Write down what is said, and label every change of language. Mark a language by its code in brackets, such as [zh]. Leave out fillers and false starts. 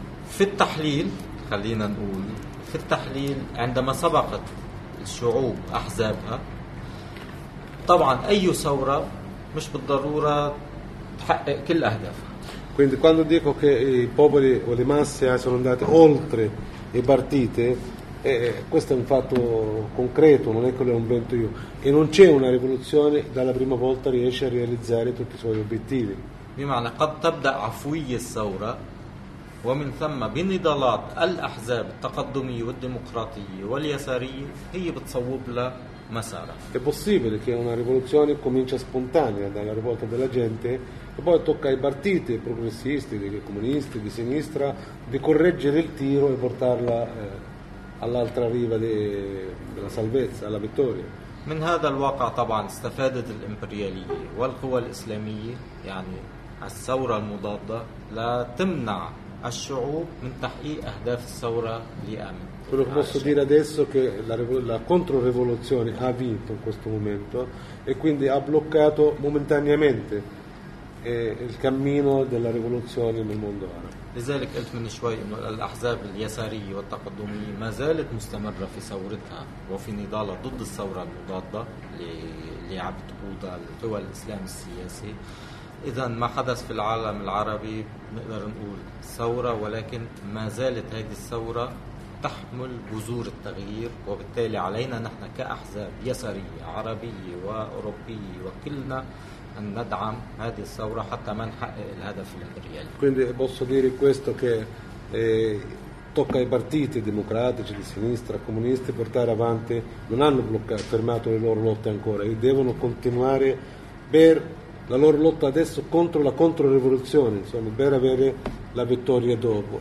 [ar] في التحليل خلينا نقول في التحليل عندما سبقت الشعوب أحزابها طبعا أي ثورة مش بالضرورة تحقق كل أهدافها. [it] Quindi quando dico che i popoli o le masse sono andate oltre i partiti, questo è un fatto concreto, non è che l'ho invento io. E non c'è una rivoluzione dalla prima volta riesce a realizzare tutti i suoi obiettivi. [ar] بمعنى قد تبدأ عفوية الثورة ومن ثم بنضالات الأحزاب التقدمية والديمقراطية واليسارية هي بتصوب لها مسارها. [it] È possibile che una rivoluzione comincia spontanea dalla rivolta della gente e poi tocca ai partiti progressisti, dei comunisti, di sinistra di correggere il tiro e portarla all'altra riva della salvezza, alla vittoria. [ar] من هذا الواقع طبعا استفادت الإمبريالية والقوى الإسلامية يعني الثورة المضادة لا تمنع الشعوب من تحقيق أهداف الثورة لآمن. [it] Quello che posso dire adesso che la controrivoluzione ha vinto in questo momento e quindi ha bloccato momentaneamente il cammino della rivoluzione nel mondo arabo. [ar] لذلك قلت من شوي إنه الأحزاب اليسارية والتقدمية ما زالت مستمرة في ثورتها وفي نضالها ضد الثورة المضادة اللي عم تقودها القوى الإسلام السياسي، إذن ما حدث في العالم العربي نقدر نقول ثورة، ولكن ما زالت هذه الثورة تحمل بذور التغيير، وبالتالي علينا نحن كأحزاب يسارية عربية وأوروبية وكلنا أن ندعم هذه الثورة حتى ما نحقق الهدف الإمبريالي. [it] Quindi posso dire questo che tocca ai partiti democratici di sinistra, comunisti, portare avanti, non hanno bloccato, fermato le loro lotte ancora e devono continuare per la loro lotta adesso contro la controrivoluzione, insomma, per avere la vittoria dopo.